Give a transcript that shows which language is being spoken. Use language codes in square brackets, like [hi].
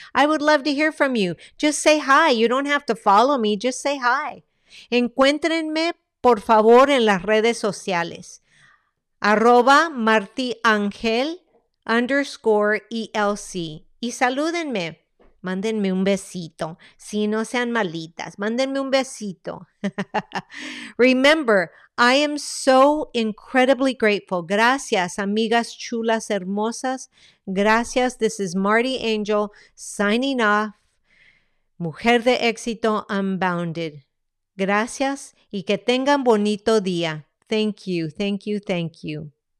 [en] I would love to hear from you. Just say hi. You don't have to follow me. Just say hi. [es] Encuéntrenme por favor, en las redes sociales. Arroba Marti Angel underscore ELC. Y salúdenme. Mándenme un besito. Si no sean malitas, mándenme un besito. [en] Remember, I am so incredibly grateful. [es] Gracias, amigas chulas hermosas. Gracias. [en] This is Marti Angel signing off. [es] Mujer de éxito unbounded. Gracias y que tengan bonito día. [en] Thank you, thank you, thank you.